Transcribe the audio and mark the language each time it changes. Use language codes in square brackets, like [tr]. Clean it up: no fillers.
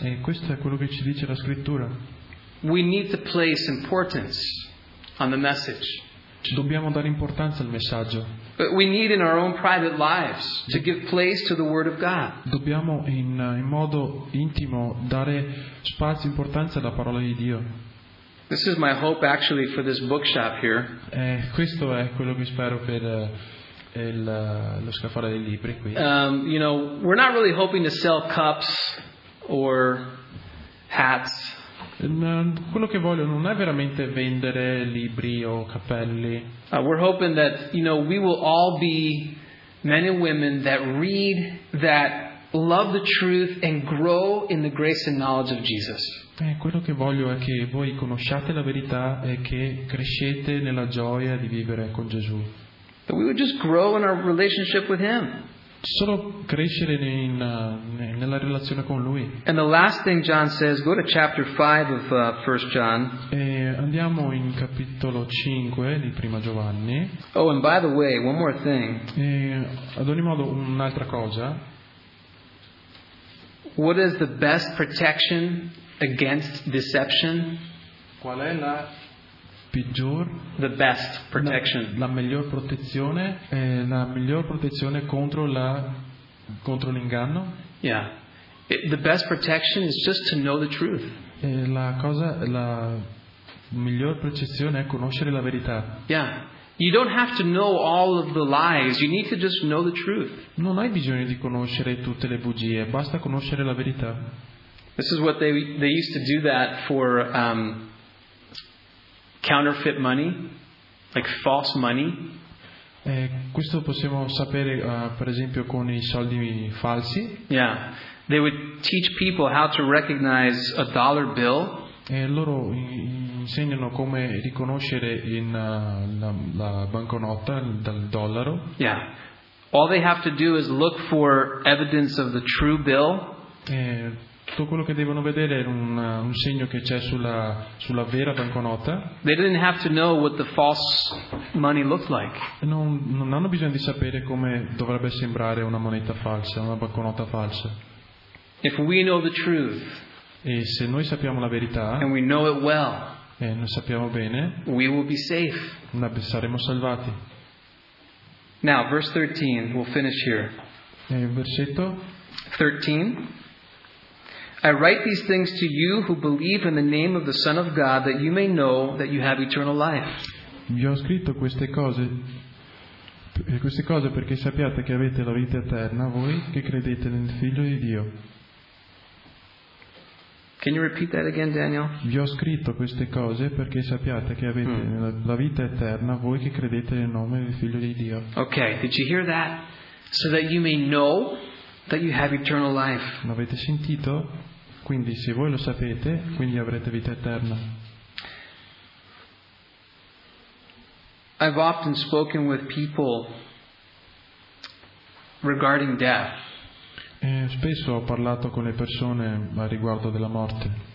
[it] E questo è quello che ci dice la Scrittura. [en] We need to place importance on the message. [it] Dobbiamo dare importanza al messaggio. [en] But we need in our own private lives to give place to the Word of God. [it] Dobbiamo in modo intimo dare spazio e importanza alla parola di Dio. [en] This is my hope actually for this bookshop here. [it] Questo è quello che spero per lo scaffale dei libri qui. [en] You know, we're not really hoping to sell cups or hats. [it] Quello che voglio non è veramente vendere libri o cappelli. [en] We're hoping that, you know, we will all be men and women that read, that love the truth and grow in the grace and knowledge of Jesus. [it] Quello che voglio è che voi conosciate la verità e che crescete nella gioia di vivere con Gesù. [en] That we would just grow in our relationship with Him. [it] Solo crescere nella relazione con Lui. [en] And the last thing John says, go to chapter 5 of 1 John. [it] E andiamo in capitolo 5 di Prima Giovanni. [en] Oh, and by the way, one more thing. [it] E ad ogni modo, un'altra cosa. [en] What is the best protection against deception? [it] Qual è la peggior, [en] the best protection. [it] La miglior protezione contro l'inganno. [en] Yeah. The best protection is just to know the truth. [it] La miglior protezione è conoscere la verità. [en] Yeah. You don't have to know all of the lies. You need to just know the truth. [it] Non hai bisogno di conoscere tutte le bugie. Basta conoscere la verità. [en] This is what they used to do that for. Counterfeit money, like false money. [it] Questo possiamo sapere, per esempio, con i soldi falsi. [en] Yeah, they would teach people how to recognize a dollar bill. [it] Loro insegnano come riconoscere in la banconota dal dollaro. [en] Yeah. All they have to do is look for evidence of the true bill. [it] Tutto quello che devono vedere è un segno che c'è sulla vera banconota. [en] They didn't have to know what the false money looked like. [it] Non hanno bisogno di sapere come dovrebbe sembrare una moneta falsa, una banconota falsa. [en] If we know the truth, [it] e se noi sappiamo la verità, [en] and we know it well, [it] e noi sappiamo bene, [en] we will be safe. [it] Saremo salvati. [en] Now, verse 13, we'll finish here. [it] Versetto 13. [en] I write these things to you who believe in the name of the Son of God, that you may know that you have eternal life. [it] Vi ho scritto queste cose perché sappiate che avete la vita eterna, voi che credete nel Figlio di Dio. [en] Can you repeat that again, Daniel? [it] Vi ho scritto queste cose perché sappiate che avete la vita eterna, voi che credete nel nome del Figlio di Dio. [en] Okay, did you hear that? So that you may know that you have eternal life. [it] L'avete sentito? Quindi se voi lo sapete, quindi avrete vita eterna. [en] I've often spoken with people regarding death. [it] Spesso ho parlato con le persone a riguardo della morte.